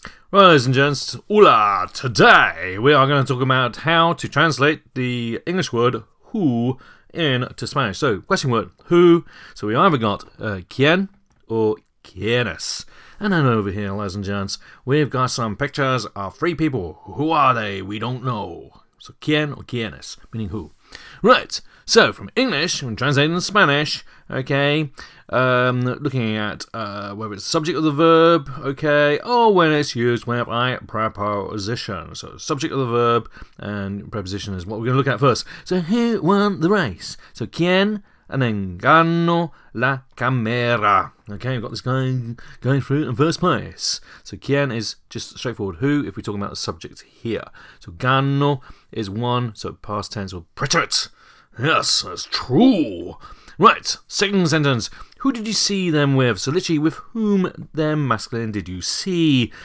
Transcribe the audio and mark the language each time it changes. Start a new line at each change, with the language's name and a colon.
English: Well, ladies and gents, hola! Today we are going to talk about how to translate the English word who into Spanish. So, question word, who. So we either got quién or quiénes. And then over here, ladies and gents, we've got some pictures of three people. Who are they? We don't know. So quién or quiénes, meaning who. Right, so from English, when translating to Spanish, okay, looking at whether it's the subject of the verb, okay, or when it's used with a preposition. So subject of the verb and preposition is what we're going to look at first. So who won the race? So quién and then
Spanish: ganó la carrera.
English: Okay, we've got this guy going through in first place. So quién is just straightforward who if we're talking about the subject here. So ganó is won, so past tense or preterite. Yes, that's true. Right, second sentence. Who did you see them with? So literally, with whom them masculine did you see?